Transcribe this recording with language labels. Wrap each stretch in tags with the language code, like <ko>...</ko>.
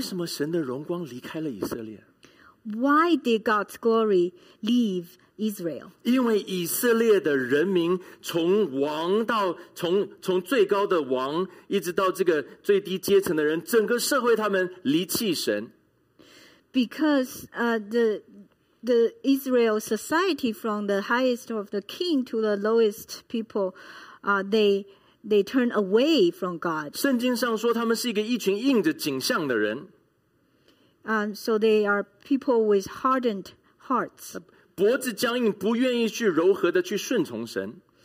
<zh>为什么神的荣光离开了以色列？</zh> <en>Why did God's glory leave Israel?</en> <zh>因为以色列的人民从王到从最高的王，一直到这个最低阶层的人，整个社会他们离弃神。</zh> <en>Because the Israel society, from the highest of the king to the lowest people, they turn away from God.</en> <zh>圣经上说他们是一群硬着景象的人。</zh> <en>So they are people with hardened hearts.</en> <zh>脖子僵硬，不愿意去柔和的去顺从神。</zh>